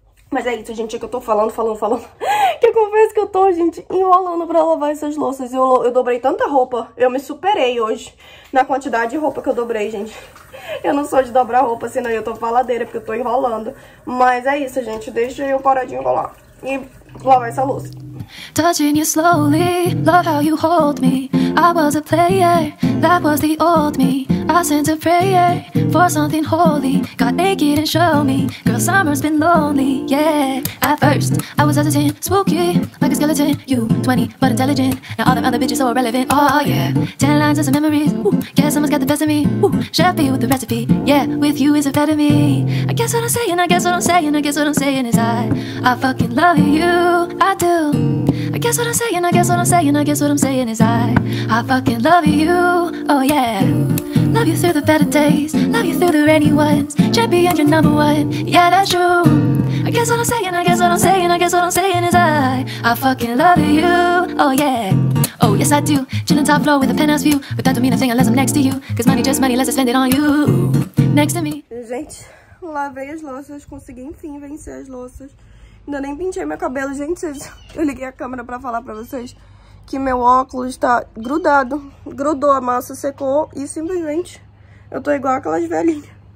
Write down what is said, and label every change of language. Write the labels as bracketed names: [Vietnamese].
[Portuguese] Mas é isso, gente, é que eu tô falando. Que eu confesso que eu tô, gente, enrolando pra lavar essas louças. Eu dobrei tanta roupa, eu me superei hoje na quantidade de roupa que eu dobrei, gente. Eu não sou de dobrar roupa, senão eu tô faladeira, porque eu tô enrolando. Mas é isso, gente, deixa eu parar de enrolar e lavar essa louça. [English] Touching you slowly, love how you hold me. I was a player, that was the old me. I sent a prayer for something holy. Got naked and show me, girl, summer's been lonely, yeah. At first, I was hesitant, spooky, like a skeleton. You, 20, but intelligent. Now all them other bitches so irrelevant, oh yeah. 10 lines and some memories, ooh. Guess someone's got the best of me, ooh. Chef with the recipe, yeah. With you is a better me. I guess what I'm saying is I fucking love you, I do. I guess what I'm saying is I fucking love you, oh yeah. Love you through the better days, love you through the rainy ones. Champion, you're number one, yeah, that's true. I guess what I'm saying is I fucking love you, oh yeah. Oh yes I do, chillin' top floor with a penthouse view. But that don't mean a thing unless I'm next to you. Cause money just money, let's spend it on you. Next to me. [Portuguese] Gente, lavei as louças, consegui enfim vencer as louças. Ainda nem pintei meu cabelo, gente. Eu liguei a câmera pra falar pra vocês que meu óculos tá grudado. Grudou, a massa secou e simplesmente eu tô igual aquelas velhinhas.